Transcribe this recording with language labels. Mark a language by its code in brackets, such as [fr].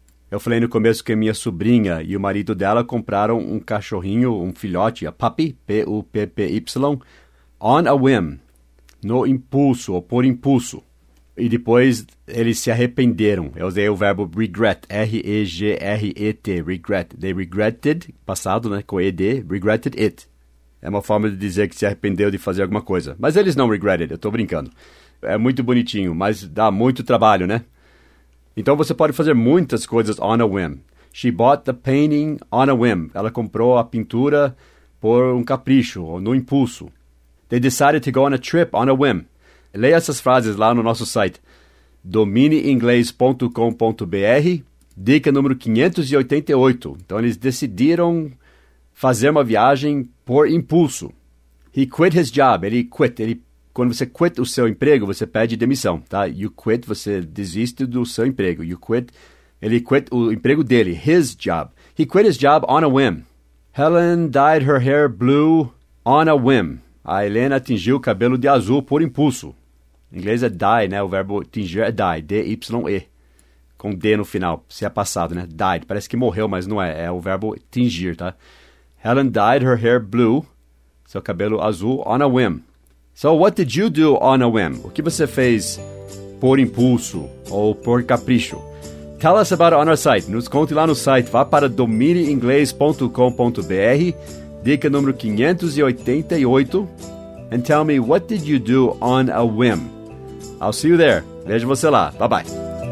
[pt] Eu falei no começo que a minha sobrinha e o marido dela compraram um cachorrinho, um filhote, [en] a puppy, [pt] P-U-P-P-Y, [en] on a whim, [pt] no impulso, ou por impulso. E depois eles se arrependeram. Eu usei o verbo regret, R-E-G-R-E-T, regret. [en] They regretted, [pt] passado, né, com E-D, [en] regretted it. [pt] É uma forma de dizer que se arrependeu de fazer alguma coisa. Mas eles não regretted, eu tô brincando. É muito bonitinho, mas dá muito trabalho, né? Então você pode fazer muitas coisas on a whim. [en] She bought the painting on a whim. [pt] Ela comprou a pintura por um capricho, ou no impulso. [en] They decided to go on a trip on a whim. [pt] Leia essas frases lá no nosso site, dominiinglês.com.br, dica número 588. Então, eles decidiram fazer uma viagem por impulso. [en] He quit his job. [pt] Ele quit. Quando você quit o seu emprego, você pede demissão, tá? [en] You quit, [pt] você desiste do seu emprego. [en] You quit. [pt] Ele quit o emprego dele, [en] his job. He quit his job on a whim. Helen dyed her hair blue on a whim. [pt] A Helena tingiu o cabelo de azul por impulso. Em inglês é dye, né? O verbo tingir é dye, D-Y-E, com D no final, se é passado, né? Died, parece que morreu, mas não é, é o verbo tingir, tá? [en] Helen dyed her hair blue, [pt] seu cabelo azul, [en] on a whim. So, what did you do on a whim? [pt] O que você fez por impulso ou por capricho? [en] Tell us about it on our site, [pt] nos conte lá no site, vá para dominiinglês.com.br, dica número 588. [en] And tell me, what did you do on a whim? I'll see you there. [pt] Vejo você lá. [en] Bye-bye.